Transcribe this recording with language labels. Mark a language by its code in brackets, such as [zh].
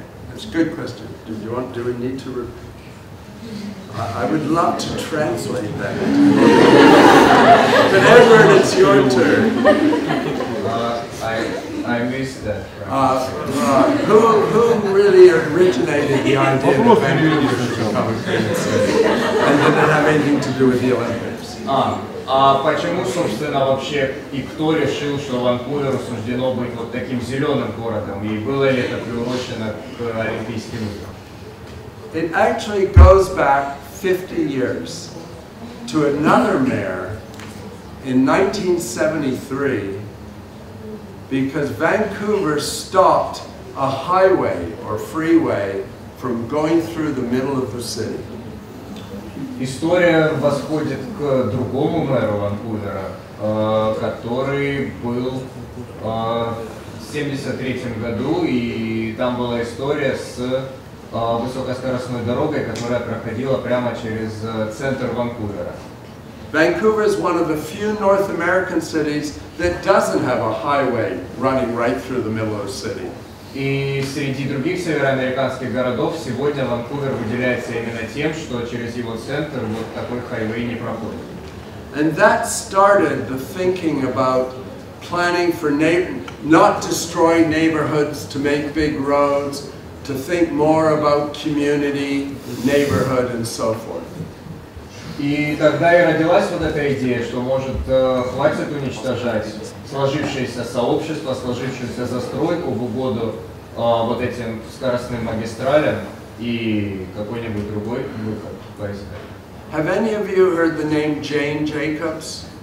[en] That's a good question. Do we need to? I would love to translate that. But Edward, it's your turn. I missed that. Who really originated the idea of the Olympics? And did it have anything to do with the Olympics? [ru] А почему, собственно, вообще и кто решил, что Ванкуверу суждено быть вот таким зеленым городом? И было ли это приурочено к Олимпийским играм? [en] It actually goes back 50 years to another mayor in 1973. Because Vancouver stopped a highway or freeway from going through the middle of the city. [ru] История восходит к другому мэру Ванкувера, который был в 73 году, и там была история с высокоскоростной дорогой, которая проходила прямо через центр Ванкувера. [en] Vancouver is one of the few North American cities that doesn't have a highway running right through the middle of the city. [ru] И среди других североамериканских городов сегодня Ванкувер выделяется именно тем, что через его центр вот такой хайвей не проходит. [en] And that started the thinking about planning for not destroying neighborhoods to make big roads, to think more about community, neighborhood, and so forth. [ru] И тогда и родилась вот эта идея, что может хватит уничтожать сложившееся сообщество, сложившуюся застройку в угоду вот этим скоростным магистралям и какой-нибудь другой выход поискать. [en] Have any of you heard the name Jane Jacobs?